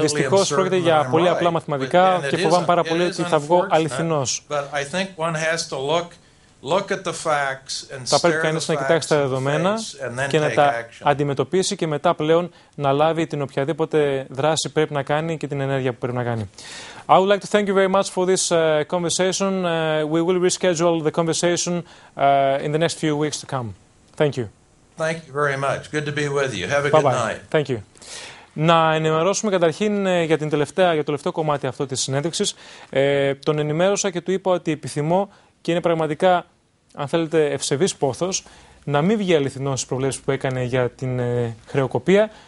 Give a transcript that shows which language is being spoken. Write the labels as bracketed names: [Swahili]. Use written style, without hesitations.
[Greek] Δυστυχώς πρόκειται για πολύ απλά μαθηματικά και φοβάμαι πάρα πολύ ότι θα βγω αληθινός. [English] But I think one has to look at the facts and stare. [Greek] Θα πρέπει κανείς να κοιτάξει τα δεδομένα και να τα αντιμετωπίσει και μετά πλέον να λάβει την οποιαδήποτε δράση πρέπει να κάνει και την ενέργεια που πρέπει να κάνει. [English] I would like to thank you very much for this conversation. We will reschedule the conversation in the next few weeks to come. Thank you. Thank you very much. Good to be with you. Have a good night. Thank you. [Greek] Να ενημερώσουμε καταρχήν για το τελευταίο κομμάτι αυτό της συνέντευξης. Τον ενημέρωσα και του είπα ότι επιθυμώ και είναι πραγματικά, αν θέλετε, ευσεβής πόθος να μην βγει αληθινός στις προβλέψεις που έκανε για την χρεοκοπία.